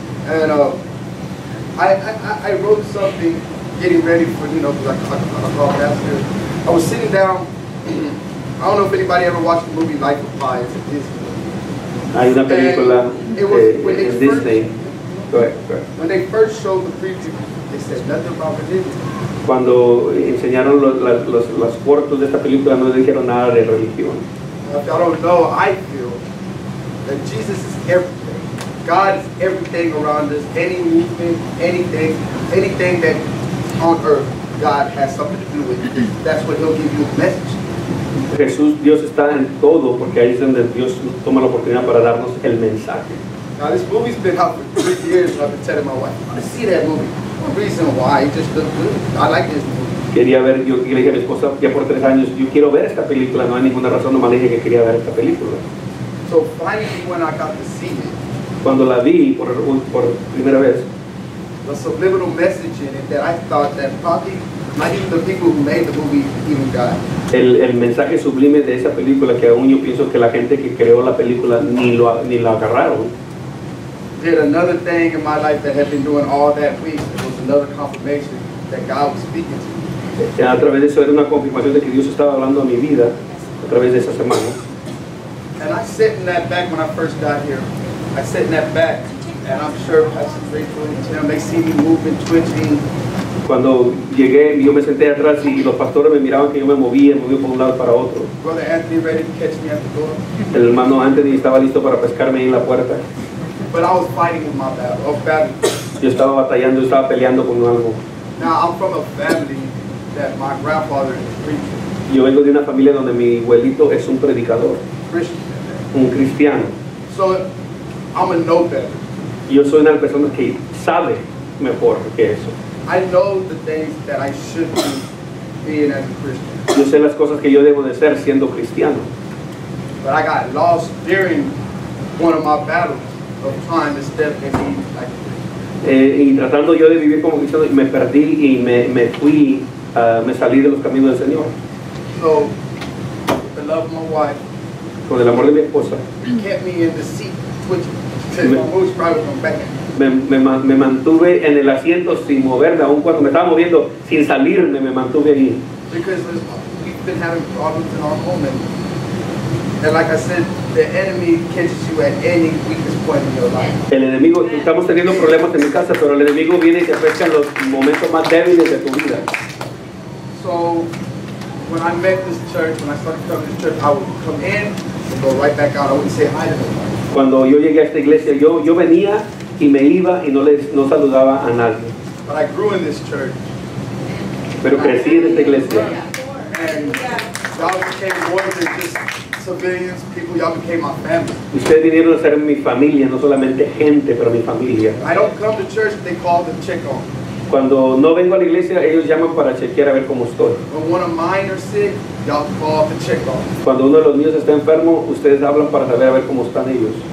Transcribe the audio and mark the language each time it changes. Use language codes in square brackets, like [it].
[en] And I wrote something getting ready for, you know, because I called pastor. I was sitting down. I don't know if anybody ever watched the movie Life of Pi. It's a Disney movie. [es] Hay una película en Disney. [en] Go ahead. When they first showed the preview, they said nothing about religion. [es] Cuando enseñaron los cortos de esta película, no dijeron nada de religión. [en] If y'all don't know, I feel that Jesus is everything. God is everything around us. Any movement, anything that on earth, God has something to do with. That's what he'll give you a message. [es] Jesús, Dios está en todo, porque ahí es donde Dios toma la oportunidad para darnos el mensaje. [en] Now this movie's been out for 3 years, and I've been telling my wife, I want to see that movie. No reason why, it just looked good. I like this movie. [es] Quería ver, yo le dije a mi esposa, ya por 3 años, yo quiero ver esta película, no hay ninguna razón, nomás le dije que quería ver esta película. [en] So finally when I got to see it, [es] cuando la vi por primera vez, [en] the subliminal message in it that I thought that probably might even the people who made the movie even got it. [es] El mensaje sublime de esa película que aún yo pienso que la gente que creó la película ni lo agarraron. [en] Did another thing in my life that had been doing all that week. It was another confirmation that God was speaking to me. [es] A través de eso era una confirmación de que Dios estaba hablando a mi vida a través de esa semana. [en] And I sat in that back when I first got here. I sat in that back, and I'm sure Pastor Rachel and Tim, they see me moving, twitching. [es] Cuando llegué, yo me senté atrás y los pastores me miraban que yo me movía por un lado para otro. [en] Brother Anthony ready to catch me at the door. [es] El hermano Anthony estaba listo para pescarme ahí en la puerta. [en] But I was fighting with my battle. [es] Yo estaba batallando, yo estaba peleando con algo. [en] Now I'm from a family that my grandfather is a preacher. [es] Yo vengo de una familia donde mi abuelito es un predicador. [en] Christian. [es] Un cristiano. [en] So I'm a know better. [es] Yo soy una persona que sabe mejor que eso. [en] I know the things that I should be being as a Christian. [es] Yo sé las cosas que yo debo de ser siendo cristiano. [en] But I got lost during one of my battles of trying to step and be like a Christian. [es] Y tratando yo de vivir como cristiano, me perdí y me salí de los caminos del Señor. [en] So, the love of my wife. [es] Con el amor de mi esposa. [en] Kept me in the seat, which is my most private one back. [es] Me mantuve en el asiento sin moverme, aun cuando me estaba moviendo, sin salirme, me mantuve ahí. [en] Because we've been having problems in our home, and like I said, the enemy catches you at any weakest point in your life. [es] El enemigo, estamos teniendo problemas en mi casa, pero el enemigo viene y te pesca en los momentos más débiles de tu vida. [en] So, when I met this church, when I started coming to this church, I would come in and go right back out. I wouldn't say hi to them. [es] Cuando yo llegué a esta iglesia, yo venía y me iba y no saludaba a nadie. [en] But I grew in this church. [es] Pero crecí en esta iglesia. [en] And y'all became more than just civilians, people. Y'all became my family. [es] Ustedes vinieron a ser mi familia, no solamente gente, pero mi familia. [en] I don't come to church, they call to check on. [es] Cuando no vengo a la iglesia, ellos llaman para chequear a ver cómo estoy. [en] When one of mine are sick, y'all call to check on. [es] Cuando uno de los míos está enfermo, ustedes hablan para saber a ver cómo están ellos.